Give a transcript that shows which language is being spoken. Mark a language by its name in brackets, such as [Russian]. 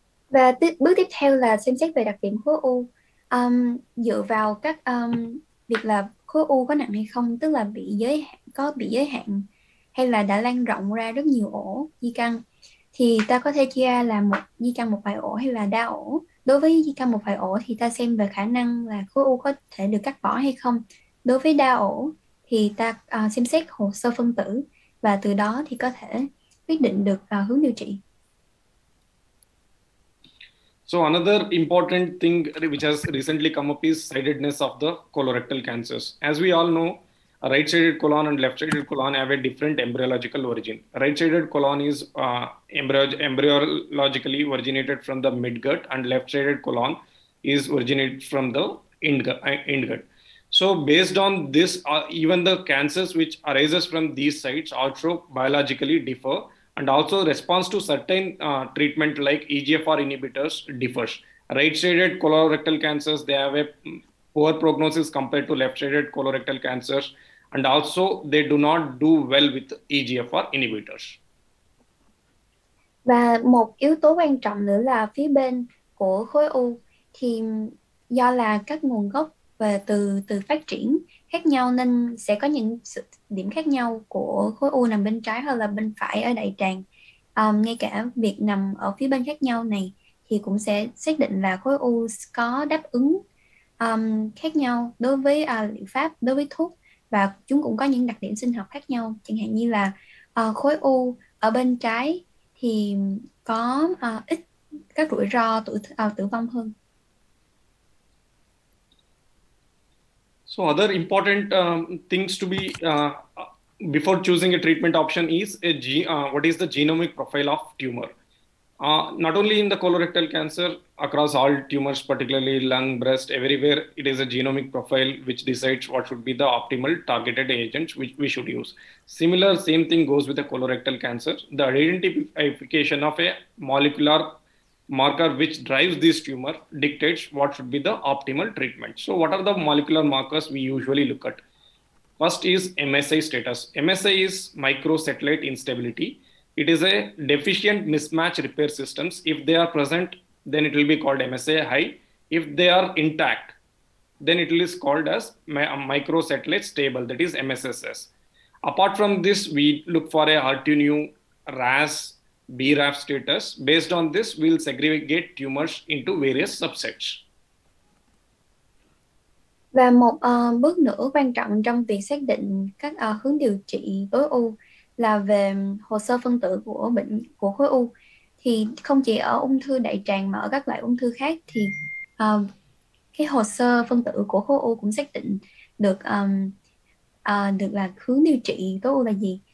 [Vietnamese] Và bước tiếp theo là xem xét về đặc điểm khối u, dựa vào các việc là khối u có nặng hay không, tức là có bị giới hạn hay là đã lan rộng ra rất nhiều ổ di căn, thì ta có thể chia ra là một di căn một vài ổ hay là đa ổ. Đối với di căn một vài ổ thì ta xem về khả năng là khối u có thể được cắt bỏ hay không. Đối với đa ổ thì ta xem xét hồ sơ phân tử và từ đó thì có thể quyết định được hướng điều trị. [English] So another important thing which has recently come up is sidedness of the colorectal cancers. As we all know, right-sided colon and left-sided colon have a different embryological origin. Right-sided colon is embryologically originated from the midgut, and left-sided colon is originated from the indgut. So based on this, even the cancers which arises from these sites also biologically differ. And also response to certain treatment like EGFR inhibitors differs. Right-sided colorectal cancers, they have a poor prognosis compared to left-sided colorectal cancers, and also they do not do well with EGFR inhibitors. [Vietnamese] Và một yếu tố quan trọng nữa là phía bên của khối u thì do là các nguồn gốc về từ từ phát triển khác nhau nên sẽ có những điểm khác nhau của khối u nằm bên trái hoặc là bên phải ở đại tràng. Ngay cả việc nằm ở phía bên khác nhau này thì cũng sẽ xác định là khối u có đáp ứng khác nhau đối với liệu pháp, đối với thuốc, và chúng cũng có những đặc điểm sinh học khác nhau. Chẳng hạn như là khối u ở bên trái thì có ít các rủi ro tử vong hơn. [English] So other important things to be before choosing a treatment option is what is the genomic profile of tumor? Not only in the colorectal cancer, across all tumors, particularly lung, breast, everywhere, it is a genomic profile which decides what should be the optimal targeted agent which we should use. Same thing goes with the colorectal cancer. The identification of a molecular marker which drives this tumor dictates what should be the optimal treatment. So, what are the molecular markers we usually look at? First is MSI status. MSI is microsatellite instability. It is a deficient mismatch repair systems. If they are present, then it will be called MSI high. If they are intact, then it is called as microsatellite stable, that is MSSS. Apart from this, we look for a HER2neu, RAS, BRAF status. Based on this, we'll segregate tumors into various subsets. [Vietnamese] Và một bước nữa quan trọng trong việc xác định các hướng điều trị tối ưu là về hồ sơ phân tử của bệnh của khối u. Thì không chỉ ở ung thư đại tràng mà ở các loại ung thư khác thì cái hồ sơ phân tử của khối u cũng xác định được được là hướng điều trị tối ưu là gì.